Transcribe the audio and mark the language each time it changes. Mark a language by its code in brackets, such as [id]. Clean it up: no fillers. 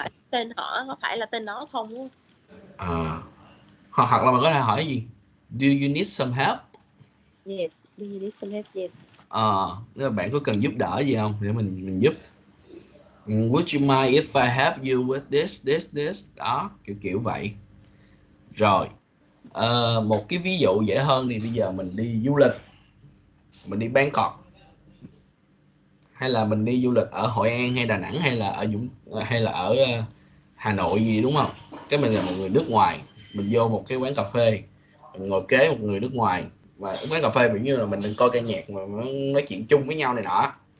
[vi] Tên họ có phải là tên nó không? Hoặc là mình có thể hỏi gì? [en] Do you need some help? Yes, do you need some help? Yes. [vi] Nếu bạn có cần giúp đỡ gì không? Để mình giúp. [en] Would you mind if I help you with this? [vi] Đó, kiểu vậy. Rồi. Một cái ví dụ dễ hơn thì bây giờ mình đi du lịch. Mình đi Bangkok. Hay là mình đi du lịch ở Hội An hay Đà Nẵng hay là ở Hà Nội gì đúng không? Cái mình là một người nước ngoài, mình vô một cái quán cà phê, mình ngồi kế một người nước ngoài và quán cà phê kiểu như là mình đang coi ca nhạc mà nói chuyện chung với nhau này nọ.